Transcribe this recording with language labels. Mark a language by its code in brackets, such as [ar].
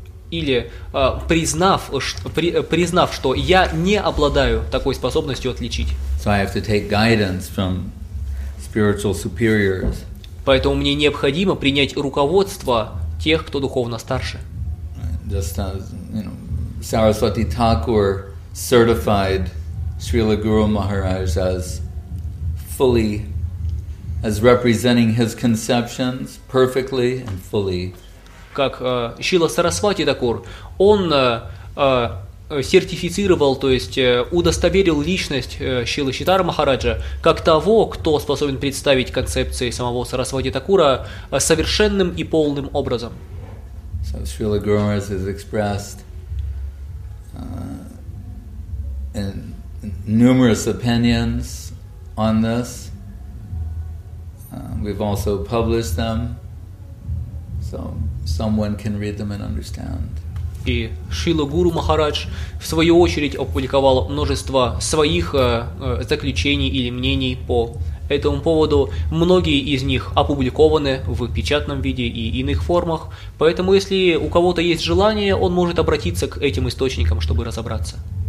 [ru] или признав, признав, что я не обладаю такой способностью отличить. [en] So I have to take guidance from spiritual superiors. [ru] Поэтому мне необходимо принять руководство тех, кто духовно старше. [en] Just as, you know, Saraswati Thakur certified Srila Guru Maharaj as fully, as representing his conceptions perfectly and fully. [ru] Как Шрила Сарасвати Такур, он сертифицировал, то есть удостоверил личность Шрилы Читара Махараджа как того, кто способен представить концепции самого Сарасвати Такура совершенным и полным образом. [en] So Srila Guru Maharaj has expressed in numerous opinions on this. We've also published them. So someone can read them and understand. [ru] И Шрила Гуру Махарадж в свою очередь опубликовал множество своих заключений или мнений по этому поводу. Многие из них опубликованы в печатном виде и иных формах. Поэтому, если у кого-то есть желание, он может обратиться к этим источникам, чтобы разобраться.